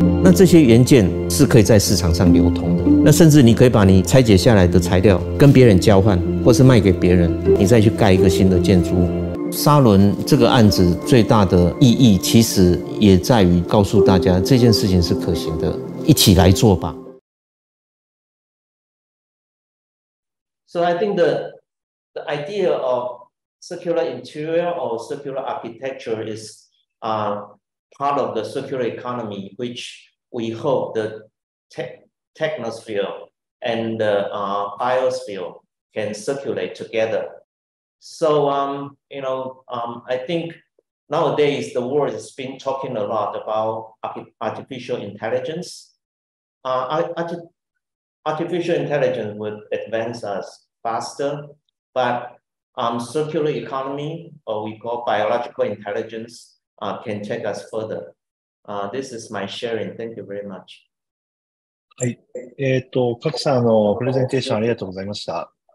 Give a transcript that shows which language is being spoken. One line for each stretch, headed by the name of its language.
Chinese: 那这些元件是可以在市场上流通的，那甚至你可以把你拆解下来的材料跟别人交换，或是卖给别人，你再去盖一个新的建筑。沙伦这个案子最大的意义其实也在于告诉大家这件事情是可行的，一起来做吧。
English: So I think the idea of circular interior or circular architecture is part of the circular economy, which we hope the technosphere and the biosphere can circulate together. So, I think Nowadays, the world has been talking a lot about artificial intelligence. Artificial intelligence would advance us faster, but circular economy, or we call biological intelligence, can take us further. This is my sharing. Thank you very much.
Japanese: はい。賀来さん、プレゼンテーションありがとうございました。